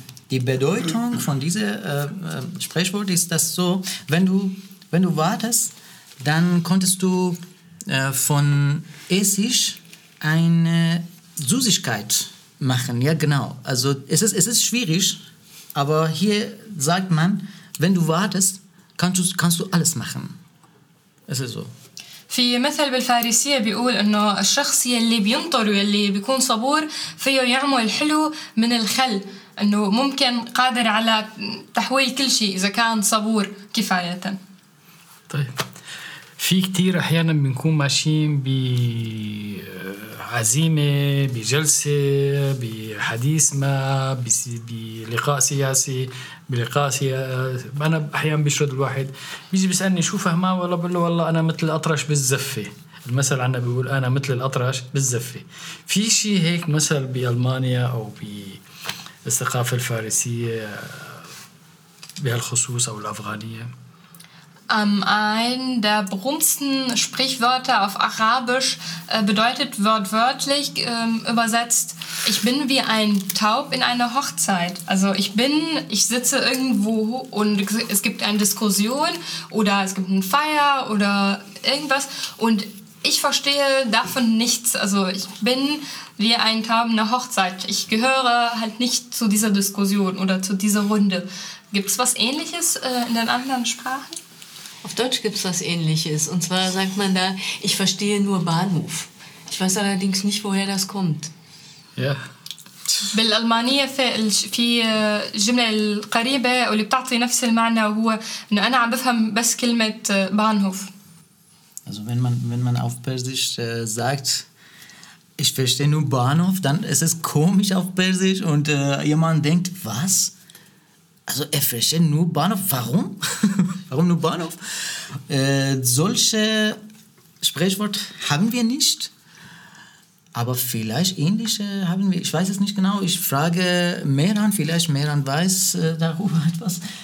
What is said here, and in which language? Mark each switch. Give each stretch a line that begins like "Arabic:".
German: Die Bedeutung von diesem Sprichwort ist, dass so, wenn du wartest, dann konntest du von Essig eine Süßigkeit machen. Ja, genau. Also es ist schwierig, aber hier sagt man, wenn du wartest, kannst du alles machen. Es ist so.
Arabic: في مثل بالفارسية بيقول إنه الشخص يلي بينطر واللي بيكون صبور فيه يعمل حلو من الخل. إنه ممكن قادر على تحويل كل شيء إذا كان صبور كفاية. طيب في كتير أحيانا بنكون ماشيين بعزيمة، بجلسة، بحديث ما، بلقاء سياسي، بلقاء سياسي. أنا أحيانا بيشرد الواحد بيجي بيسألني شو فهمه، والله بقول له والله أنا مثل الأطرش بالزفة. المثل عنا بيقول أنا مثل الأطرش بالزفة. في شيء هيك مثل بألمانيا أو ب الثقافة الفارسية بهالخصوص أو الأفغانية؟
German: Ein der berühmtesten Sprichwörter auf Arabisch bedeutet wortwörtlich übersetzt: Ich bin wie ein Taub in einer Hochzeit. Also ich sitze irgendwo und es gibt eine Diskussion oder es gibt eine Feier oder irgendwas und ich verstehe davon nichts. Also ich bin wie ein Taub in der Hochzeit. Ich gehöre halt nicht zu dieser Diskussion oder zu dieser Runde. Gibt es was Ähnliches in den anderen Sprachen? Auf Deutsch gibt es was Ähnliches. Und zwar sagt man da, ich verstehe nur Bahnhof. Ich weiß allerdings nicht, woher das kommt. Ja.
Arabic: بالألمانية في الجملة القريبة واللي بتعطي نفس المعنى هو إنه أنا عم بفهم بس كلمة بانهوف.
German: Also wenn man auf Persisch sagt, ich verstehe nur Bahnhof, dann ist es komisch auf Persisch und jemand denkt, was? Also er versteht nur Bahnhof, warum? Warum nur Bahnhof? Solche Sprichwort haben wir nicht, aber vielleicht ähnliche haben wir, ich weiß es nicht genau, ich frage Mehran, vielleicht Mehran weiß darüber etwas.